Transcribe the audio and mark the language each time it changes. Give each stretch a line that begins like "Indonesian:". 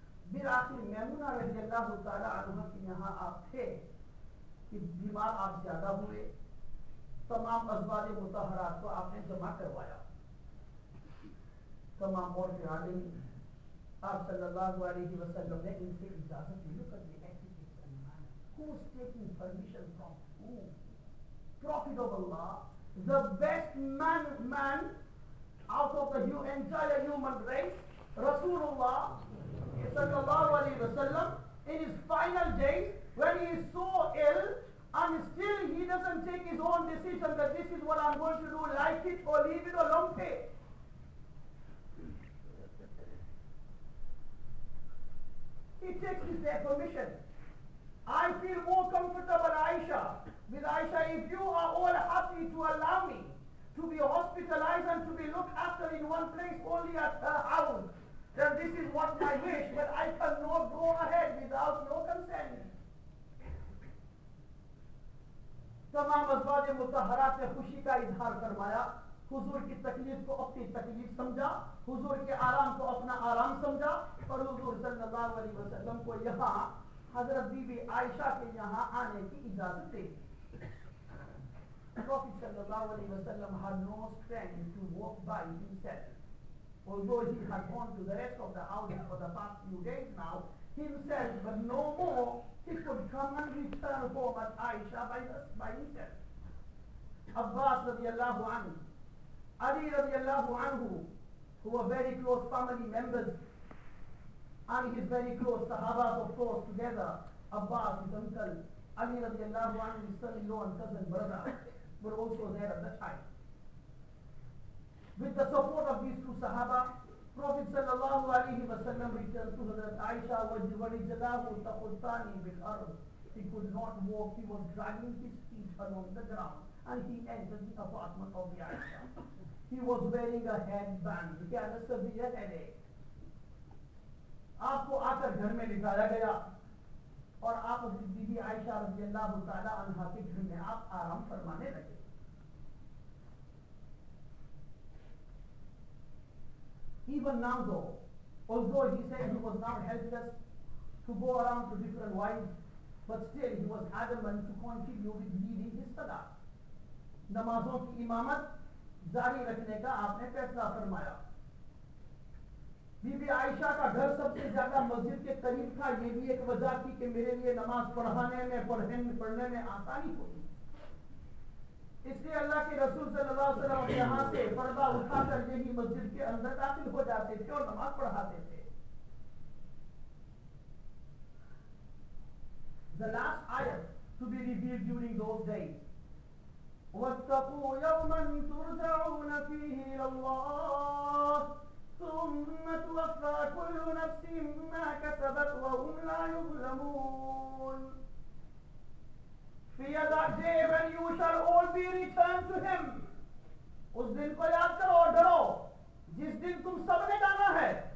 Urdu: پھر آخر میمونہ رضی اللہ تعالیٰ عنہ کے یہاں آپ تھے کہ بیمار آپ زیادہ ہوئے تمام ازواج مطہرات کو آپ نے جمع کروایا، تمام اور فرحانی آپ صلی اللہ علیہ وسلم نے ان سے اجازت لے کر دی.
English: Who's taking permission from who? Prophet of Allah, the best man out of the entire human race, Rasulullah sallallahu alayhi wa sallam, in his final days, when he is so ill, and still he doesn't take his own decision that this is what I'm going to do, like it or leave it or don't pay. He takes his permission. I feel more comfortable, Aisha. With Aisha, if you are all happy to allow me to be hospitalized and to be looked after in one place only at her house, then this is what I wish, but I cannot go ahead without your consent.
Urdu: تمام ازواج مطہرات نے خوشی کا اظہار کروایا، حضور کی تکلیف کو اپنی تکلیف سمجھا، حضور کے آرام کو اپنا آرام سمجھا، اور حضور صلی اللہ علیہ وسلم کو یہاں حضرت بی بی عائشہ کے یہاں آنے کی اجازت دی.
English: Prophet sallallahu alayhi wa sallam had no strength to walk by himself. Although he had gone to the rest of the house for the past few days now, himself, but no more, he could come and return home at Aisha by himself. Abbas radiallahu anhu, Ali radiallahu anhu, who were very close family members, and his very close sahabas, of course, together, Abbas, his uncle, Ali radiallahu anhu, his son-in-law and cousin brother, were also there at the time. With the support of these two sahaba, Prophet sallallahu alayhi wa sallam returned to Hazrat Aisha
Arabic: wajjalahu taqultani bil ardh.
English: He could not walk, he was dragging his feet along the ground, and he entered the apartment of the Aisha. He was wearing a headband, he had a severe headache.
Urdu: آپ کو آ کر گھر میں لکھایا گیا اور آپ be be عائشہ رضی اللہ تعالی عنہا کے گھر میں آپ آرام فرمانے لگے.
English: Even now though, although he said he was now helpless to go around to different wives, but still he was adamant to continue with leading his salah.
Urdu: نمازوں کی امامت جاری رکھنے کا آپ نے فیصلہ فرمایا. بی بی عائشہ کا گھر سب سے زیادہ مسجد کے قریب تھا، یہ بھی ایک وجہ تھی کہ میرے لیے نماز پڑھنے میں آسانی ہوئی. اس لیے اللہ کے رسول صلی اللہ علیہ وسلم یہاں سے پردہ اٹھا کر یہی مسجد کے اندر داخل ہو جاتے تھے اور نماز پڑھاتے تھے.
English: The last ayat to be revealed during those days.
Arabic: وَاتَّقُوا يَوْمًا تُرْجَعُونَ فِيهِ إِلَى اللَّهِ ثم توفى كل نفس ما كسبت وهم لا يظلمون.
English: في that day when you shall all be returned to him.
Urdu: اس دن کو یاد کرو اور ڈرو جس دن تم سب نے جانا ہے.